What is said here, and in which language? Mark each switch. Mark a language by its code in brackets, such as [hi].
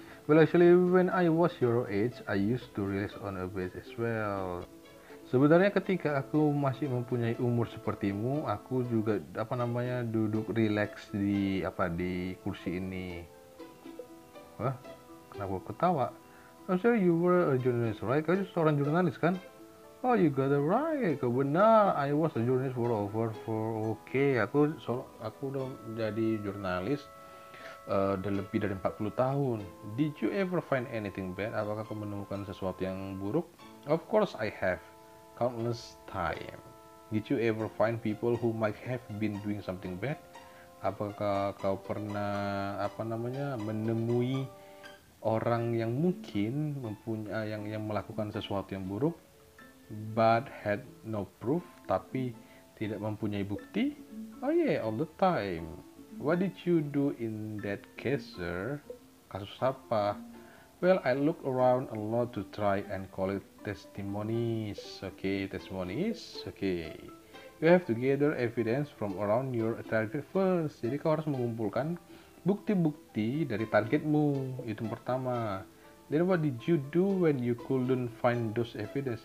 [en] Well, actually, when I was your age, I used to relax on a bench as well. [id] Sebenarnya ketika aku masih mempunyai umur sepertimu, aku juga apa namanya duduk relax di apa di kursi ini. Wah, kenapa ketawa? [en] I'm sorry, you were a journalist, right? [id] Kau seorang jurnalis kan? [en] Oh, you got it right. Kebenar, I was a journalist for over for okay. [id] Aku udah jadi jurnalis udah lebih dari 40 tahun. [en] Did you ever find anything bad? [id] Apakah kau menemukan sesuatu yang buruk? [en] Of course I have. Countless time. Did you ever find people who might have been doing something bad? [id] Apakah kau pernah apa namanya menemui orang yang mungkin mempunyai yang melakukan sesuatu yang buruk? [en] But had no proof, [id] tapi tidak mempunyai bukti? [en] Oh yeah, all the time. What did you do in that case, sir? [id] Kasus apa? [en] Well, I looked around a lot to try and collect testimonies. Okay, testimonies. Okay. You have to gather evidence from around your target first. [id] Jadi kau harus mengumpulkan bukti-bukti dari targetmu. Itu pertama. [en] Then what did you do when you couldn't find those evidence?